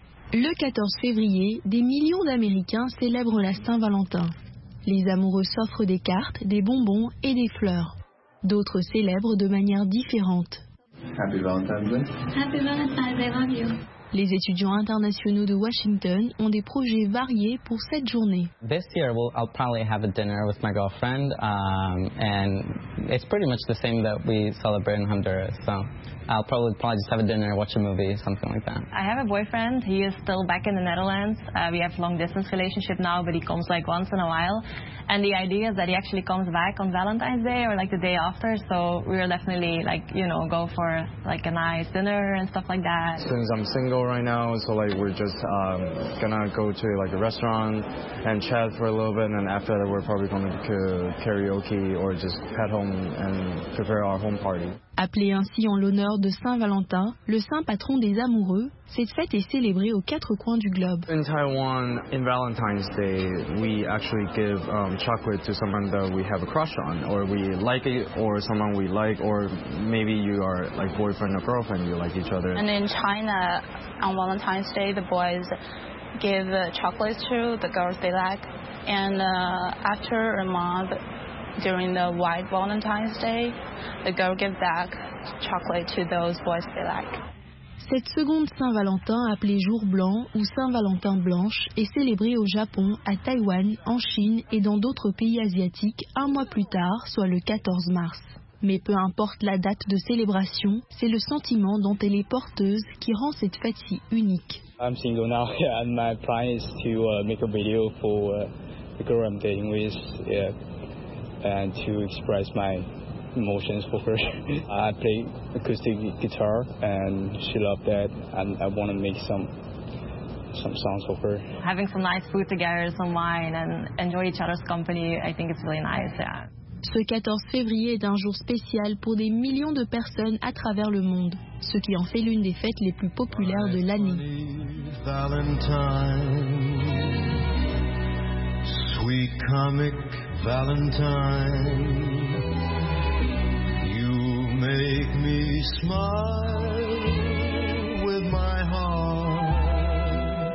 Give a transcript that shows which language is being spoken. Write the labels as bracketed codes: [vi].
[fr] Le 14 février, des millions d'Américains célèbrent la Saint-Valentin. Les amoureux s'offrent des cartes, des bonbons et des fleurs. D'autres célèbrent de manière différente. [en] Happy Valentine's Day. Happy Valentine's Day, I love you. [fr] Les étudiants internationaux de Washington ont des projets variés pour cette journée. [en] This year, I'll probably have a dinner with my girlfriend, and it's pretty much the same that we celebrate in Honduras. So, I'll probably just have a dinner, watch a movie, something like that. I have a boyfriend. He is still back in the Netherlands. We have long distance relationship now, but he comes like once in a while. And the idea is that he actually comes back on Valentine's Day or like the day after. So we are definitely like, you know, go for like a nice dinner and stuff like that. Since I'm single right now, so like we're just gonna go to like a restaurant and chat for a little bit. And then after that, we're probably going to karaoke or just head home and prepare our home party. [fr] Appelé ainsi en l'honneur de Saint-Valentin, le saint patron des amoureux, cette fête est célébrée aux quatre coins du globe. [en] In Taiwan, in Valentine's Day, we actually give chocolate to someone that we have a crush on, or we like it, or someone we like, or maybe you are like boyfriend or girlfriend, you like each other. And in China, on Valentine's Day, the boys give chocolates to the girls they like, and after a month, during the White Valentine's Day, the girl gives back chocolate to those boys they like. [fr] Cette seconde Saint-Valentin, appelée Jour Blanc ou Saint-Valentin Blanche, est célébrée au Japon, à Taïwan, en Chine et dans d'autres pays asiatiques un mois plus tard, soit le 14 mars. Mais peu importe la date de célébration, c'est le sentiment dont elle est porteuse qui rend cette fête si unique. [en] I'm single now and my plan is to make a video for the girl I'm dating with, yeah, and to express my emotions for her. I play acoustic guitar and she loved that, and I want to make some songs for her. Having some nice food together, some wine, and enjoy each other's company, I think it's really nice, yeah. [fr] Ce 14 février est un jour spécial pour des millions de personnes à travers le monde, ce qui en fait l'une des fêtes les plus populaires de l'année. [en] Valentine, sweet comic Valentine, make me smile with my heart.